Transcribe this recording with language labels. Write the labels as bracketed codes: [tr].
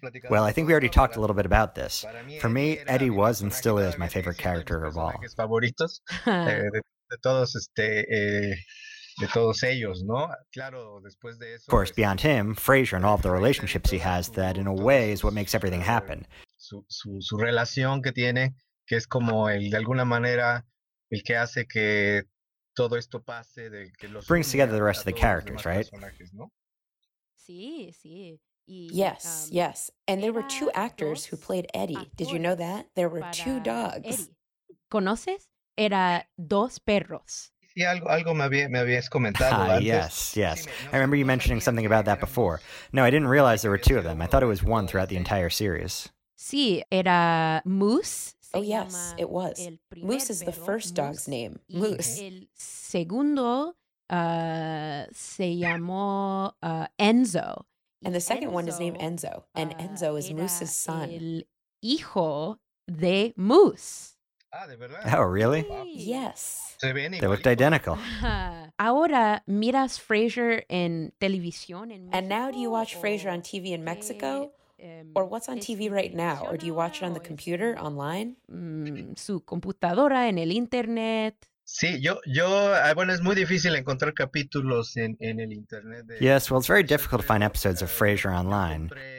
[en] Well, I think we already talked a little bit about this. For me, Eddie was and still is my favorite character of all. [es] Favoritos de todos De todos ellos, ¿no? Claro, después de eso, [en] of course, beyond him, Frasier and all of the relationships he has, that in a way is what makes everything happen. [es] Su relación que tiene, que es como el de alguna manera el que hace que todo esto pase. De, que los [en] brings together the rest of the characters, right? [es] Sí, sí. [en] Yes, yes. And there were two actors who played Eddie. Did you know that? There were two dogs. [es] Eddie. ¿Conoces? Era dos perros. Sí, algo me habías comentado antes. [en] Yes, yes. I remember you mentioning something about that before. No, I didn't realize there were two of them. I thought it was one throughout the entire series. [es] Sí, era Moose. [en] Oh, yes, it was. Moose is the first dog's name. Moose. [es] El segundo se llamó Enzo. [en] And the second one is named Enzo. And Enzo is Moose's son. [es] El hijo de Moose. Ah, de verdad. [en] Oh, really? Yes. They looked identical. [es] Ahora miras Frasier en televisión en [en] México. And now do you watch Frasier on TV in Mexico? Or what's on TV right now? Or do you watch it on the computer, online? [es] Su computadora, en el internet. Sí, yo, bueno, es muy difícil encontrar capítulos en el internet. [en] Yes, well, it's very difficult to find episodes of Frasier online.